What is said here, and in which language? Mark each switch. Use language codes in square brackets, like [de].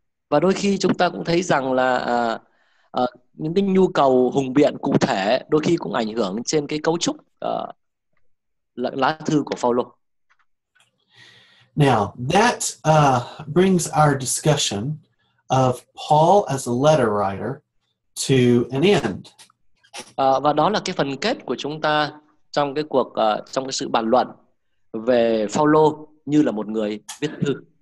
[vi] Và đôi khi chúng ta cũng thấy rằng là những cái nhu cầu hùng biện cụ thể đôi khi cũng ảnh hưởng trên cái cấu trúc lá thư của Phaolô. [en] Now, that brings our discussion of Paul as a letter writer to an end. [vi] Và đó là cái phần kết của chúng ta trong cái cuộc trong cái sự bàn luận về Phaolô như là một người viết thư.